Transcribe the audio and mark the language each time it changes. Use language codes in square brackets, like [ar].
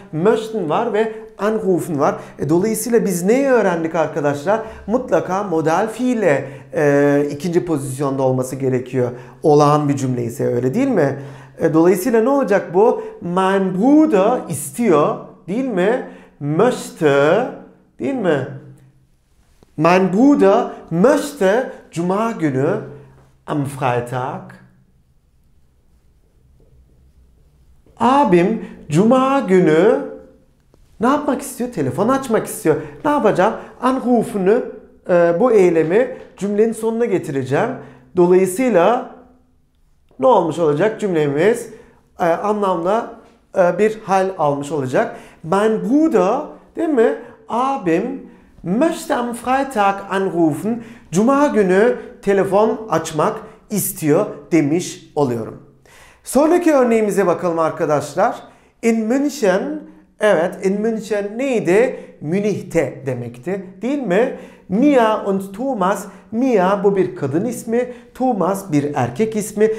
[tr] Möchten var ve anrufen var. Dolayısıyla biz neyi öğrendik arkadaşlar? Mutlaka modal fiile ikinci pozisyonda olması gerekiyor. Olağan bir cümle ise öyle değil mi? Dolayısıyla ne olacak bu? [de] Mein Bruder [tr] istiyor değil mi? Möchte değil mi? [de] Mein Bruder möchte [tr] cuma günü [de] am Freitag. [tr] Abim cuma günü ne yapmak istiyor? Telefon açmak istiyor. Ne yapacağım? Anrufen'ı bu eylemi cümlenin sonuna getireceğim. Dolayısıyla ne olmuş olacak cümlemiz? Anlamda bir hal almış olacak. [de] Mein Bruder, [tr] değil mi? Abim [de] möchte am Freitag anrufen. [tr] Cuma günü telefon açmak istiyor demiş oluyorum. Sonraki örneğimize bakalım arkadaşlar. [de] In München, [tr] evet [de] in München [tr] neydi? Münih'te demekti değil mi? Mia und Thomas, Mia bu bir kadın ismi, Thomas bir erkek ismi.